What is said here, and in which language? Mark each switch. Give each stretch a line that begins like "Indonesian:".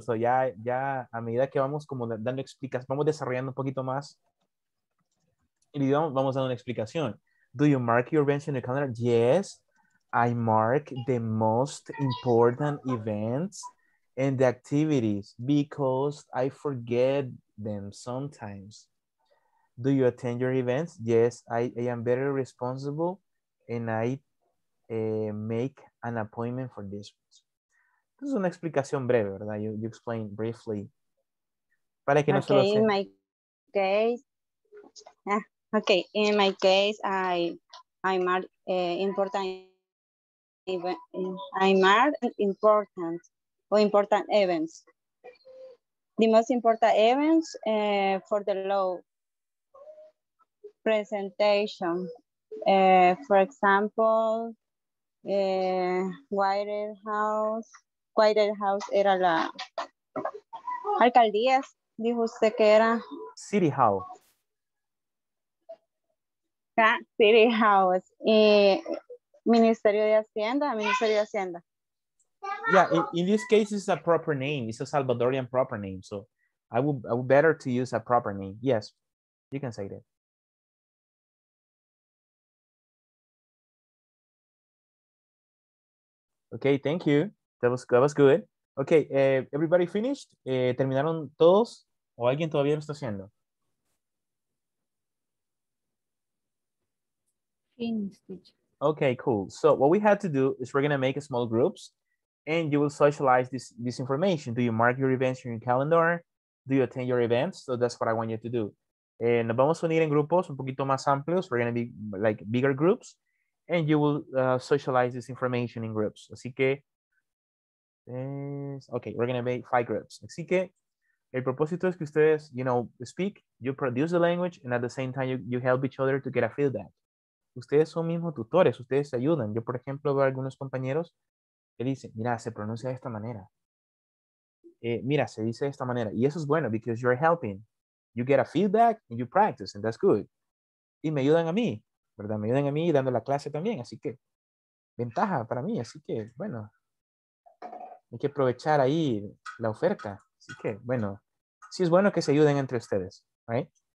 Spanish: So ya a medida que vamos como dando explicas, vamos desarrollando un poquito más. Y vamos a dar una explicación.
English: Do you mark your events in the calendar? Yes, I mark the most important events and the activities because I forget them sometimes. Do you attend your events? Yes, I am very responsible and I make an appointment for this. This is
Spanish: una explicación breve, ¿verdad?
English: You explain briefly.
Spanish: Para que no
English: okay,
Spanish: se lo
English: my case. Yeah. Okay, in my case, I mark important events. The most important events for the law presentation. For example,
Spanish: White House era la alcaldía, dijo usted que era.
English: City Hall.
Spanish: City House, Ministerio de Hacienda, Ministerio de Hacienda.
English: Yeah, in this case, it's a proper name. It's a Salvadorian proper name. So I would better to use a proper name. Yes, you can say that. Okay, thank you. That was good. Okay, everybody finished?
Spanish: ¿Terminaron todos? ¿O alguien todavía lo está haciendo?
English: Finished. Okay, cool. So what we had to do is we're going to make small groups and you will socialize this information. Do you mark your events in your calendar? Do you attend your events? So that's what I want you to do.
Spanish: Nos vamos a unir en grupos un poquito más amplios.
English: We're going to be like bigger groups. And you will socialize this information in groups.
Spanish: Así que,
English: okay, we're going to make 5 groups.
Spanish: Así que, el propósito es que ustedes,
English: you know, speak, you produce the language, and at the same time, you help each other to get a feedback.
Spanish: Ustedes son mismos tutores, ustedes se ayudan. Yo, por ejemplo, veo algunos compañeros que dicen, mira, se pronuncia de esta manera. Mira, se dice de esta manera. Y eso es bueno,
English: because you're helping. You get a feedback, and you practice, and that's good.
Spanish: Y me ayudan a mí. ¿Verdad? Me ayudan a mí dando la clase también, así que ventaja para mí, así que bueno, hay que aprovechar ahí la oferta, así que bueno, sí es bueno que se ayuden entre ustedes, right?